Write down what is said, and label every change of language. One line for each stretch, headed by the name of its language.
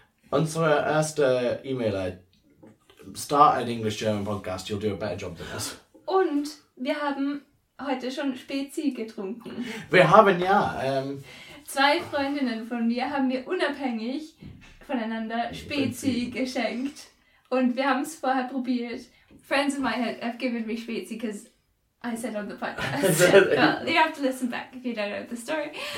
German: Unsere erste Emailer,
English: start an English-German podcast, you'll do a better job than us.
German: Und wir haben heute schon Spezi getrunken. Wir haben ja. Zwei Freundinnen von mir haben mir unabhängig voneinander Spezi geschenkt. Und wir haben es vorher probiert.
English: Friends of mine have given me Spezi, because I said on the podcast. Well, you have to listen back if you don't know the story.